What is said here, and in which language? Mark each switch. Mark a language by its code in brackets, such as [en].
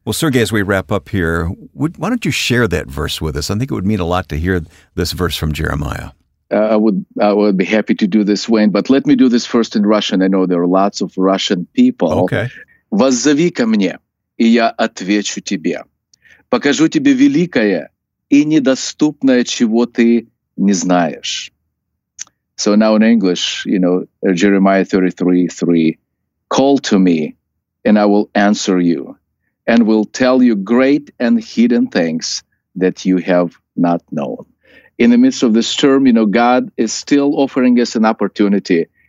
[en] Well, Sergey, as we wrap up here, why don't you share that verse with us? I think it would mean a lot to hear this verse from Jeremiah. I would be happy to do this, Wayne, but let me do this first in Russian. I know there are lots of Russian people. Okay. [ru] Воззови ко мне, и я отвечу тебе. Покажу тебе великое и недоступное, чего ты не знаешь. [en] So now in English, you know, Jeremiah 33:3, call to me and I will answer you and will tell you great and hidden things that you have not known. In the midst of this term, you know, God is still offering us an opportunity.